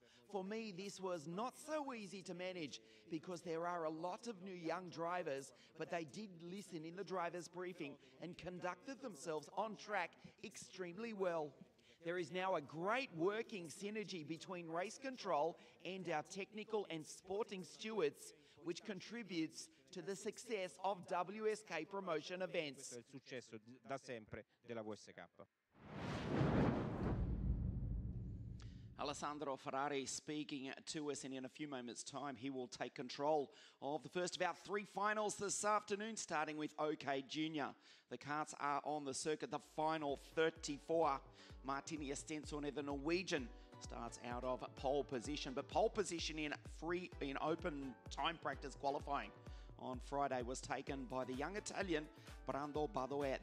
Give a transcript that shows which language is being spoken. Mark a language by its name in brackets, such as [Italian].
[English] For me, this was not so easy to manage because there are a lot of new young drivers, but they did listen in the driver's briefing and conducted themselves on track extremely well. There is now a great working synergy between race control and our technical and sporting stewards, which contributes to the success of WSK promotion events. [Italian] Questo è il successo da sempre della WSK. [English] Alessandro Ferrari speaking to us, and in a few moments' time, he will take control of the first of our three finals this afternoon, starting with OK Junior. The karts are on the circuit, the final 34. Martini Estensone, the Norwegian, starts out of pole position, but pole position in open time practice qualifying on Friday was taken by the young Italian, Brando Badoe.